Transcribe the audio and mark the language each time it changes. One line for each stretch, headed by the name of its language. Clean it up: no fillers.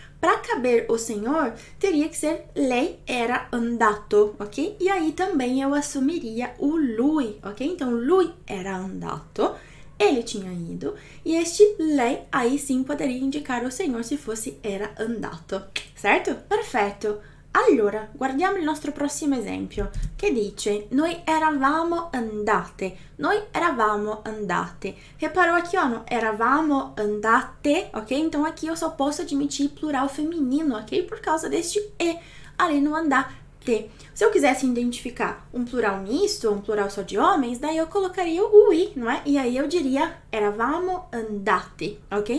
Portuguese: Para caber o senhor, teria que ser
Italian: lei era andato,
Portuguese: ok? E aí também eu assumiria o lui, ok? Então,
Italian: lui era andato,
Portuguese: ele tinha ido, e este lei aí sim poderia indicare o senhor se fosse
Italian: era andato,
Portuguese: certo?
Italian: Perfetto. Allora, guardiamo il nostro prossimo esempio, che dice noi eravamo andate, noi eravamo andate.
Portuguese: Reparou aqui, ó,
Italian: eravamo andate,
Portuguese: ok? Então aqui eu só posso admitir plural feminino, ok? Por causa deste e ali no andate. Se eu quisesse identificar um plural misto, um plural só de homens, daí eu colocaria o i, não é? E aí eu diria
Italian: eravamo andate,
Portuguese: ok?